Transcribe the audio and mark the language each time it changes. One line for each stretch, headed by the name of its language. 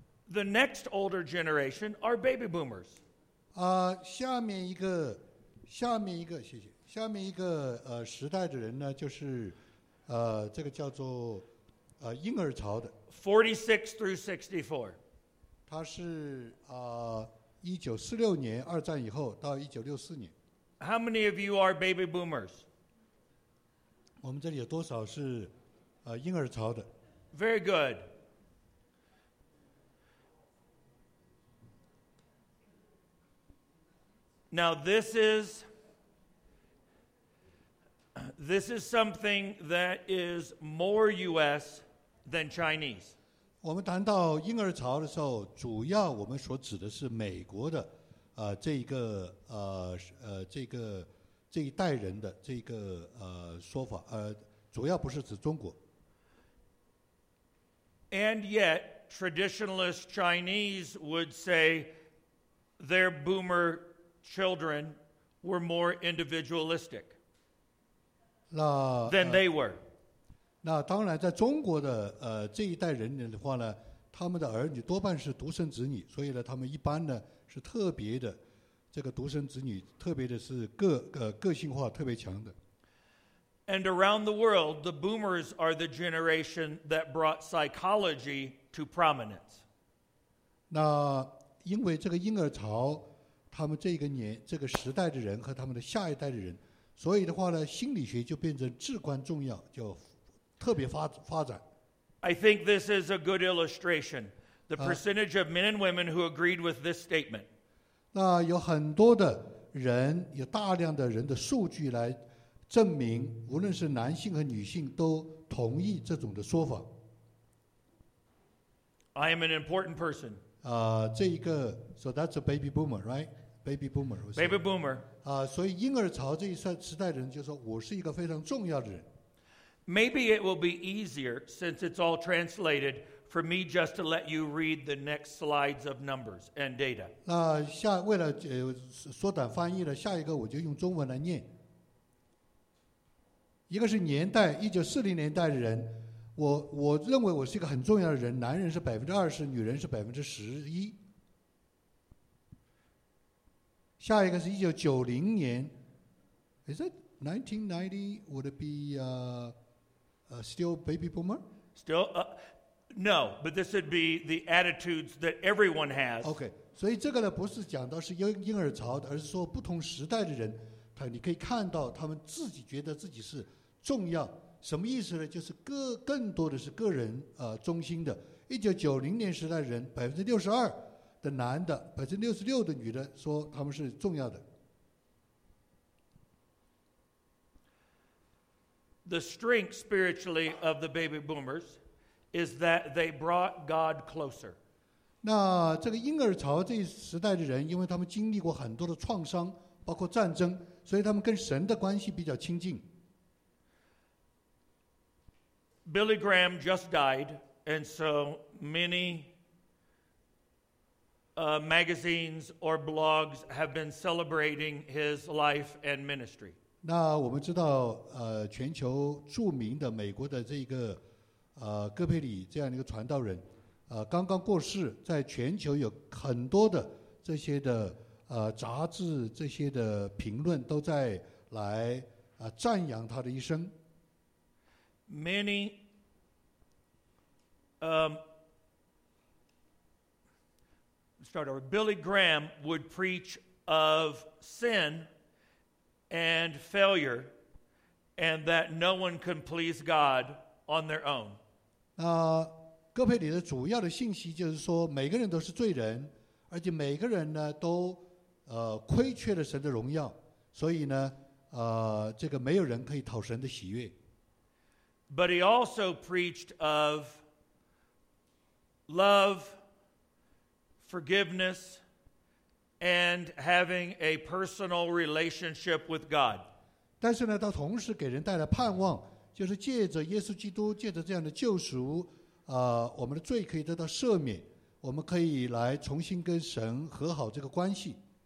English: The next older generation are baby boomers.
Chinese: 下面一个时代的人呢，就是这个叫做婴儿潮的。
English: 46 through 64。
Chinese: 他是1946年二战以后到1964年。
English: How many of you are baby boomers?
Chinese: 我们这里有多少是婴儿潮的？
English: Very good. Now this is something that is more U.S. than Chinese.
Chinese: 我们谈到婴儿潮的时候，主要我们所指的是美国的这一代人的这个说法，主要不是指中国。
English: And yet, traditionalist Chinese would say their boomer children were more individualistic than they were.
Chinese: 那当然，在中国的这一代人的话呢，他们的儿女多半是独生子女，所以呢，他们一般呢是特别的。这个独生子女特别的是个性化特别强的。
English: And around the world, the boomers are the generation that brought psychology to prominence.
Chinese: 那因为这个婴儿潮，他们这个年这个时代的人和他们的下一代的人，所以的话呢，心理学就变成至关重要，就特别发展。
English: I think this is a good illustration. The percentage of men and women who agreed with this statement.
Chinese: 那有很多的人，有大量的人的数据来证明，无论是男性和女性都同意这种的说法。
English: I am an important person.
Chinese: 这一个
English: ，so that's a baby boomer, right? Baby boomer. Baby boomer.
Chinese: 所以婴儿潮这一时代的人就说我是一个非常重要的人。
English: Maybe it will be easier since it's all translated. For me, just to let you read the next slides of numbers and data.
Chinese: 那下为了缩短翻译了，下一个我就用中文来念。一个是年代，1940年代的人，我认为我是一个很重要的人。男人是20%，女人是11%。下一个是1990年 ，
English: Is that 1990? Would it be still baby boomer? Still. No, but this would be the attitudes that everyone has.
Chinese: Okay, 所以这个呢不是讲到是婴儿潮，而是说不同时代的人，你可以看到他们自己觉得自己是重要。什么意思呢？就是更多的是个人中心的。 1990年时代的人，62%的男的，66%的女的说他们是重要的。
English: The strength spiritually of the baby boomers. Is that they brought God closer.
Chinese: 那这个婴儿潮这一时代的人，因为他们经历过很多的创伤，包括战争，所以他们跟神的关系比较亲近。
English: Billy Graham just died, and so many magazines or blogs have been celebrating his life and ministry.
Chinese: 那我们知道，全球著名的美国的这个。戈佩里这样的一个传道人，刚刚过世，在全球有很多的这些的杂志，这些的评论都在来赞扬他的一生。
English: Many, start over. Billy Graham would preach of sin and failure, and that no one can please God on their own.
Chinese: 那戈佩里的主要的信息就是说，每个人都是罪人，而且每个人呢都亏缺了神的荣耀，所以呢这个没有人可以讨神的喜悦。
English: But he also preached of love, forgiveness, and having a personal relationship with God.
Chinese: 但是呢，他同时给人带来盼望。就是借着耶稣基督，借着这样的救赎，我们的罪可以得到赦免，我们可以来重新跟神和好这个关系。